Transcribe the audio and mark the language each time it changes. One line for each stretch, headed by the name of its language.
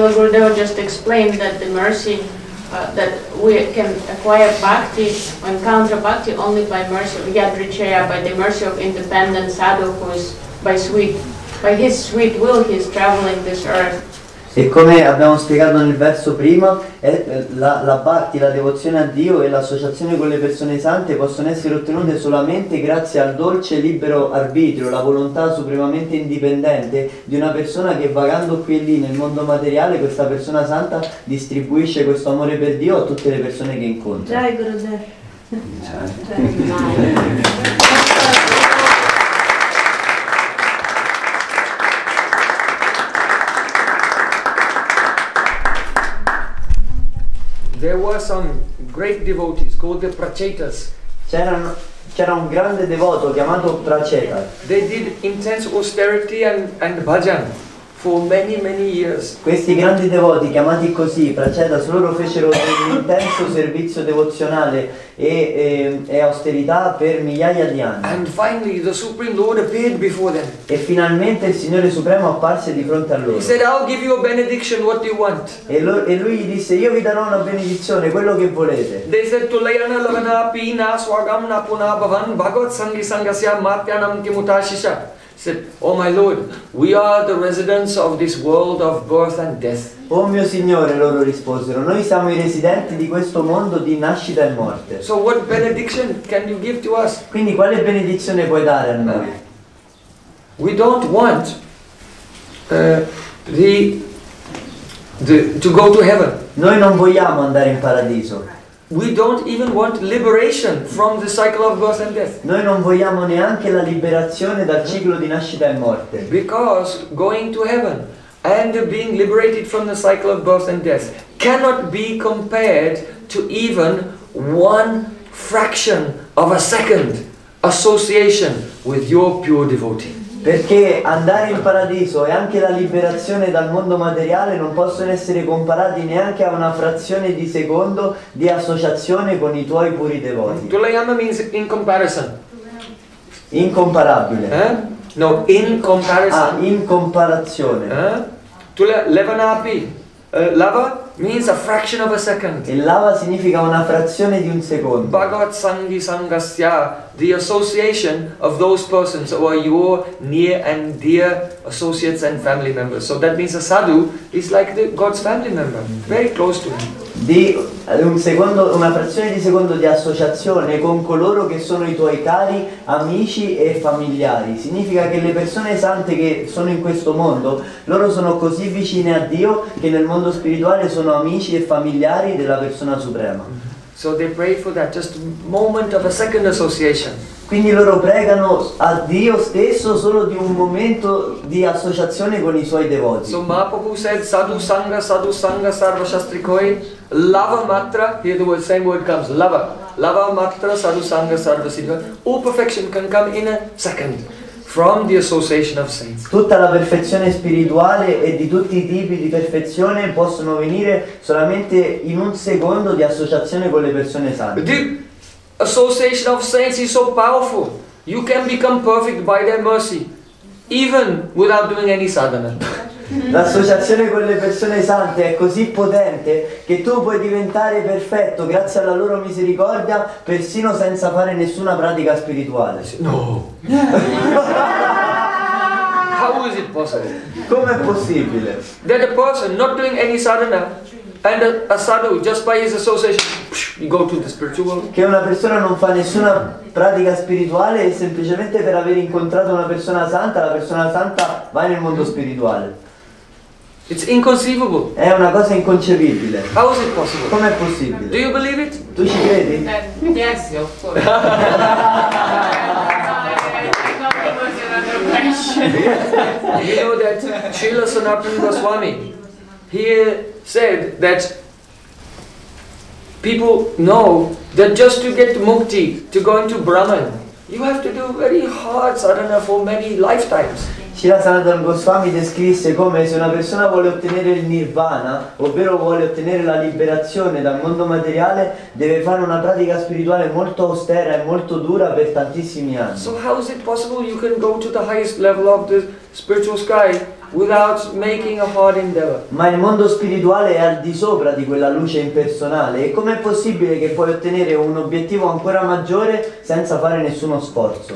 English: That we can acquire bhakti or encounter bhakti only by mercy of Yadricheya, by the mercy of independent sadhu who is by his sweet will he is traveling this earth.
Italian: E come abbiamo spiegato nel verso prima, la bhakti, la devozione a Dio e l'associazione con le persone sante possono essere ottenute solamente grazie al dolce libero arbitrio, la volontà supremamente indipendente di una persona che vagando qui e lì nel mondo materiale, questa persona santa distribuisce questo amore per Dio a tutte le persone che incontra.
Sanskrit: Jai Gurudev.
English: There were some great devotees called the Prachetas.
Italian: C'era un grande devoto chiamato Pracheta.
English: They did intense austerity and bhajan for many many years.
Italian: Questi grandi devoti chiamati così Prachetas loro fecero un intenso servizio devozionale e austerità per migliaia di anni.
English: And finally the Supreme Lord appeared before them.
Italian: E finalmente il Signore Supremo apparse di fronte a loro.
English: He said, "I'll give you a benediction. What do you want?"
Italian: E lui gli disse, "Io vi darò una benedizione, quello che volete."
Sanskrit: They said, "Tulayana lavana pina swagamna punabhavan bhagavat sanghi sangasya matyanam kimutashisha."
English: Said, "Oh my Lord, we are the residents of this world of birth and death."
Italian: Oh mio Signore, loro risposero, noi siamo i residenti di questo mondo di nascita e morte.
English: So what benediction can you give to us?
Italian: Quindi quale benedizione puoi dare a noi?
English: We don't want to go to heaven.
Italian: Noi non vogliamo andare in paradiso.
English: We don't even want liberation from the cycle of birth and death.
Italian: Noi non vogliamo neanche la liberazione dal ciclo di nascita e morte.
English: Because going to heaven and being liberated from the cycle of birth and death cannot be compared to even one fraction of a second association with your pure devotee.
Italian: Perché andare in paradiso e anche la liberazione dal mondo materiale non possono essere comparati neanche a una frazione di secondo di associazione con i tuoi puri devoti.
English: Tulayama means in comparison.
Italian: Incomparabile.
English: No, in comparison.
Italian: Ah, in comparazione.
English: Tulayanapi. Lava means a fraction of a second.
Italian: E lava significa una frazione di un secondo.
Sanskrit: Bhagavat sanghi sangasya,
English: the association of those persons who are your near and dear associates and family members. So that means a sadhu is like God's family member, very close to him.
Italian: Di un secondo, una frazione di secondo di associazione con coloro che sono i tuoi cari amici e familiari significa che le persone sante che sono in questo mondo loro sono così vicine a Dio che nel mondo spirituale sono amici e familiari della persona suprema.
English: So they pray for that just moment of a second association.
Italian: Quindi loro pregano a Dio stesso solo di un momento di associazione con i suoi devoti.
Sanskrit: So Mahaprabhu said sadhu sangha sarva shastrikoi lava matra,
English: here the word, same word comes,
Sanskrit: lava, lava matra sadhu sangha sarva siddha.
English: All perfection can come in a second from the association of saints.
Italian: Tutta la perfezione spirituale e di tutti i tipi di perfezione possono venire solamente in un secondo di associazione con le persone sante.
English: Association of saints is so powerful. You can become perfect by their mercy, even without doing any sadhana.
Italian: L'associazione con le persone sante è così potente che tu puoi diventare perfetto grazie alla loro misericordia persino senza fare nessuna pratica spirituale.
English: No. possible?
Italian: Come possibile?
English: That a person not doing any sadhana and a sadhu just by his association, you go to the spiritual world.
Italian: Che una persona non fa nessuna pratica spirituale e semplicemente per aver incontrato una persona santa, la persona santa va nel mondo spirituale.
English: It's inconceivable.
Italian: È una cosa inconcepibile.
English: How is it possible?
Italian: Com'è possibile?
English: Do you believe it?
Italian: Tu ci credi?
English: Yes, of course. No, it's not another question. You know that Srila Sanatana Goswami, he said that people know that just to get mukti, to go into Brahman, you have to do very hard sadhana for many lifetimes.
Italian: Srila Sanatana Goswami descrisse come se una persona vuole ottenere il nirvana, ovvero vuole ottenere la liberazione dal mondo materiale, deve fare una pratica spirituale molto austera e molto dura per tantissimi anni.
English: So how is it possible you can go to the highest level of the spiritual sky without making a hard endeavor?
Italian: Ma il mondo spirituale è al di sopra di quella luce impersonale, e com'è possibile che puoi ottenere un obiettivo ancora maggiore senza fare nessuno sforzo?